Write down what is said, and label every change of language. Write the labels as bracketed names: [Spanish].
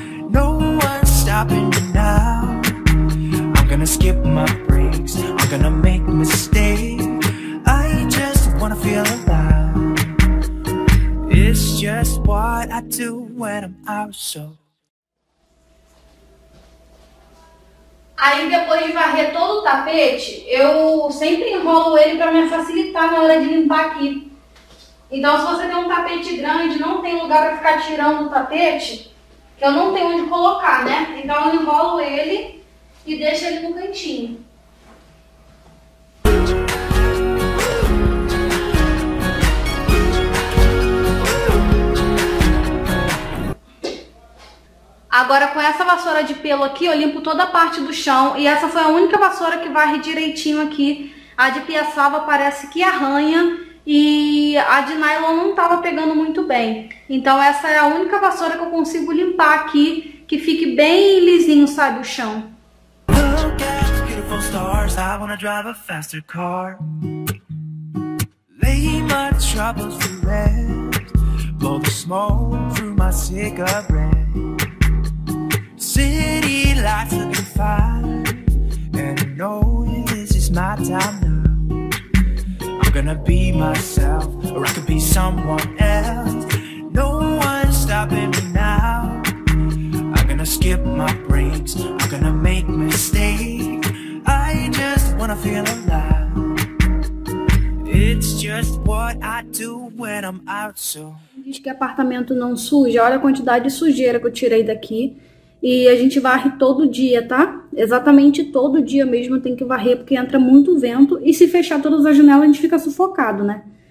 [English] No one's stopping me now. I'm gonna skip my breaks, I'm gonna make mistakes. I just wanna feel alive. It's just what I do when I'm out, so. [Portuguese] Aí depois de varrer todo o tapete, eu sempre enrolo ele para me facilitar na hora de limpar aqui. Então, se você tem um tapete grande, não tem lugar para ficar tirando o tapete, que eu não tenho onde colocar, né? Então, eu enrolo ele e deixo ele no cantinho. Agora, com essa vassoura de pelo aqui, eu limpo toda a parte do chão. E essa foi a única vassoura que varre direitinho aqui. A de Pia Sava parece que arranha. E a de nylon não tava pegando muito bem. Então, essa é a única vassoura que eu consigo limpar aqui, que fique bem lisinho, sabe, o chão. [English] Look at the beautiful stars, I wanna drive a faster car. Lay my troubles to rest, blow the smoke through my cigarette. City lights looking fine, and I know this is my time now. I'm gonna be myself, or I could be someone else. No one's stopping me now. I'm gonna skip my breaks, I'm gonna make mistakes. I just wanna feel alive. It's just what I do when I'm out, so. [Portuguese] Diz que apartamento não suja, olha a quantidade de sujeira que eu tirei daqui. E a gente varre todo dia, tá? Exatamente todo dia mesmo tem que varrer, porque entra muito vento e se fechar todas as janelas a gente fica sufocado, né?